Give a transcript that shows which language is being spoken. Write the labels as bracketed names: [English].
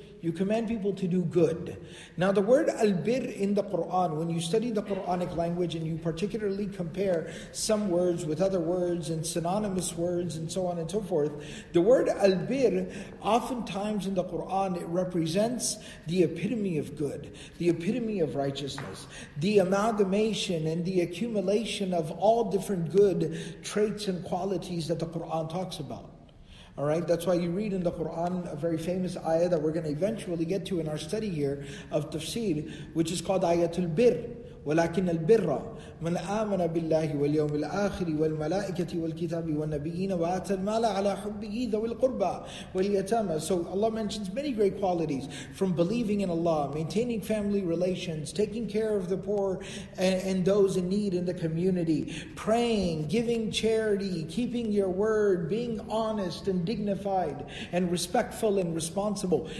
[English] You command people to do good. Now the word al-bir in the Qur'an, when you study the Qur'anic language and you particularly compare some words with other words and synonymous words and so on and so forth, the word al-bir oftentimes in the Qur'an, it represents the epitome of good, the epitome of righteousness, the amalgamation and the accumulation of all different good traits and qualities that the Qur'an talks about. All right, that's why you read in the Quran a very famous ayah that we're going to eventually get to in our study here of tafsir, which is called Ayatul Birr. [Arabic] ولكن البر من آمن بالله واليوم الآخر والملائكة والكتاب والنبيين وآتى المال على حبه ذوي القربى واليتامى. [English] So Allah mentions many great qualities, from believing in Allah, maintaining family relations, taking care of the poor and those in need in the community, praying, giving charity, keeping your word, being honest and dignified and respectful and responsible.